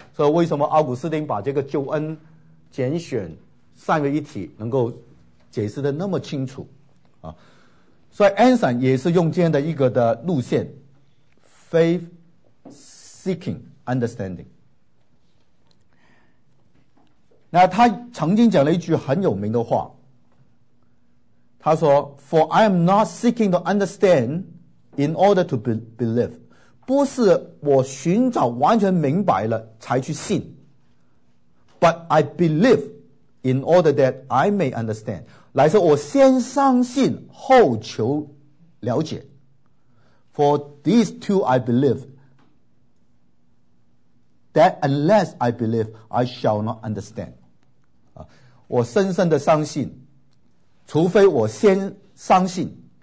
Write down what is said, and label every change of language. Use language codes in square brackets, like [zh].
[zh] 所以为什么奥古斯丁把这个救恩、拣选、善为一体能够解释的那么清楚？啊，所以 Anson 也是用这样的一个的路线 ， [en] faith seeking understanding。那他曾经讲了一句很有名的话，他说 ：“For I am not seeking to understand in order to believe， [zh] 不是我寻找完全明白了才去信 [en] ，but I believe in order that I may understand。” [zh] 来说我先相信后求了解 [en] For these two I believe That unless I believe I shall not understand [zh] 我深深的相信除非我先相信